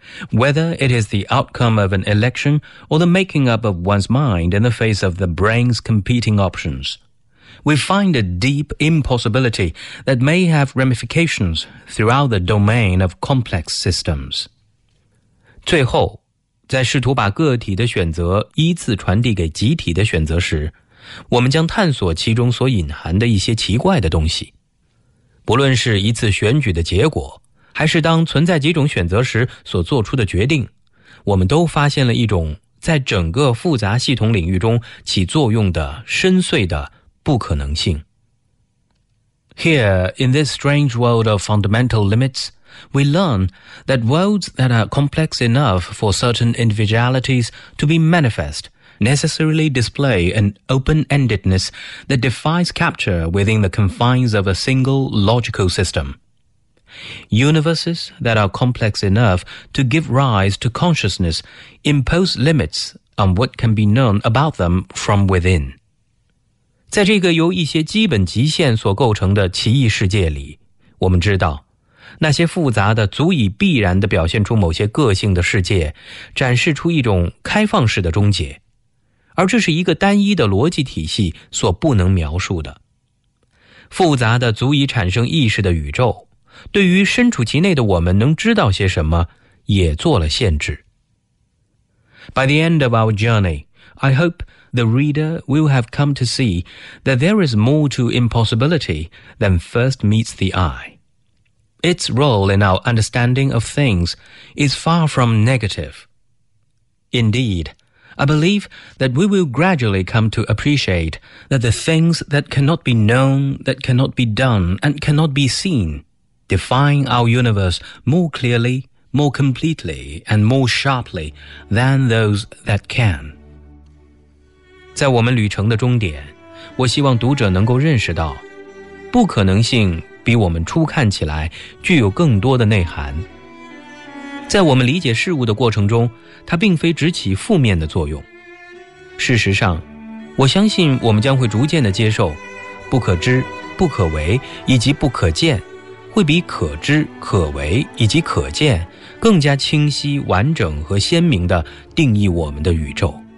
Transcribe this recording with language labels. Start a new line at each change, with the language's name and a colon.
English: Whether it is the outcome of an election or the making up of one's mind in the face of the brain's competing options, we find a deep impossibility that may have ramifications throughout the domain of complex systems.
Chinese: 最后，在试图把个体的选择依次传递给集体的选择时，我们将探索其中所隐含的一些奇怪的东西。不论是一次选举的结果，还是当存在几种选择时所做出的决定，我们都发现了一种在整个复杂系统领域中起作用的深邃的不可能性。
English: Here, in this strange world of fundamental limits, we learn that worlds that are complex enough for certain individualities to be manifest necessarily display an open-endedness that defies capture within the confines of a single logical system. Universes that are complex enough to give rise to consciousness impose limits on what can be known about them from within.
Chinese: 在这个由一些基本极限所构成的奇异世界里，我们知道，那些复杂的足以必然地表现出某些个性的世界，展示出一种开放式的终结，而这是一个单一的逻辑体系所不能描述的。复杂的足以产生意识的宇宙对于身处其内的我们能知道些什么也做了限制。
English: By the end of our journey, I hope the reader will have come to see that there is more to impossibility than first meets the eye. Its role in our understanding of things is far from negative. Indeed, I believe that we will gradually come to appreciate that the things that cannot be known, that cannot be done, and cannot be seendefine our universe more clearly, more completely, and more sharply than those that can.
Chinese: 在我们旅程的终点，我希望读者能够认识到，不可能性比我们初看起来具有更多的内涵。在我们理解事物的过程中，它并非只起负面的作用。事实上，我相信我们将会逐渐地接受，不可知、不可为以及不可见会比可知、可为以及可见更加清晰、完整和鲜明地定义我们的宇宙。